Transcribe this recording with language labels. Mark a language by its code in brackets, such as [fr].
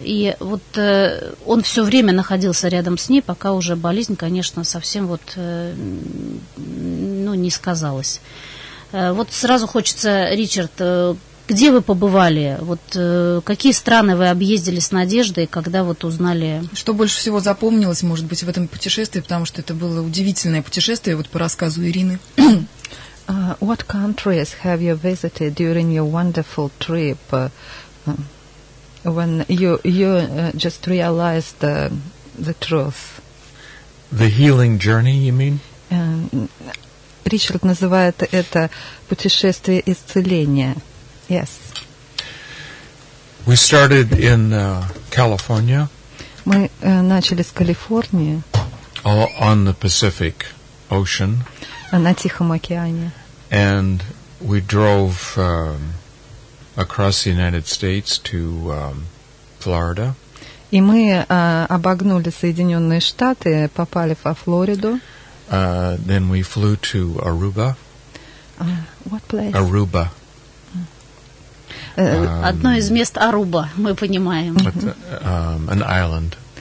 [ru] И вот он все время находился рядом с ней, пока уже болезнь, конечно, совсем вот, ну, не сказалась. Вот сразу хочется, Ричард, где вы побывали? Вот какие страны вы объездили с Надеждой, когда вот узнали? Что больше всего запомнилось, может быть, в этом путешествии, потому что это было удивительное путешествие, вот по рассказу Ирины. [en] What countries have you visited during your wonderful trip when you just realized the truth? The healing journey, you mean? [ru] Ричард называет это путешествие исцеления. [en] Yes. We started in California. [ru] Мы начали с Калифорнии. [en] On the Pacific Ocean. [ru] На Тихом океане. [en] And we drove across the United States to Florida. [ru] И мы обогнули Соединенные Штаты, попали во Флориду. [en] Then we flew to Aruba. What place? Aruba. [ru] Одно из мест Аруба, мы понимаем. [en] An island.